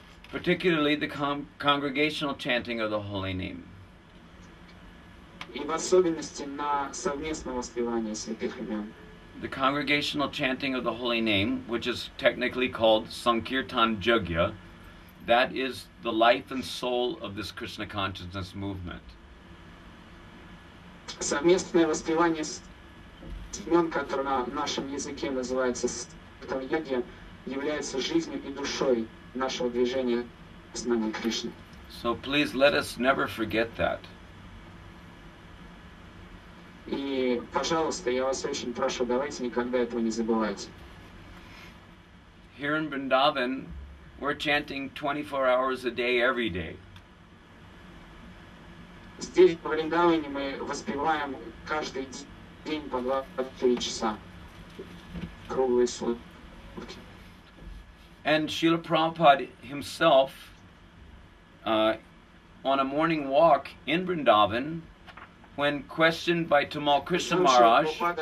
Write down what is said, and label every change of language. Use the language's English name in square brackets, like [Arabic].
[English] Particularly the congregational chanting of the holy name. [Russian] И в особенности на совместном воспевании святых имен. [English] The congregational chanting of the holy name, which is technically called Sankirtan Jagya, that is the life and soul of this Krishna consciousness movement. [Russian] Совместное воспевание имен, которое на нашем языке называется Sankirtan Jagya, является жизнью и душой нашего движения с нами Кришны. [English] So please let us never forget that. [Russian] И, пожалуйста, я вас очень прошу, давайте никогда этого не забывайте. [English] Here in Vrindavan, We're chanting 24 hours a day, every day. [Russian] Здесь, в Вриндаване, мы воспеваем каждый день по 24 часа. Круглые сутки. [English] And Srila Prabhupada himself, on a morning walk in Vrindavan, when questioned by Tamal Krishna Maharaj,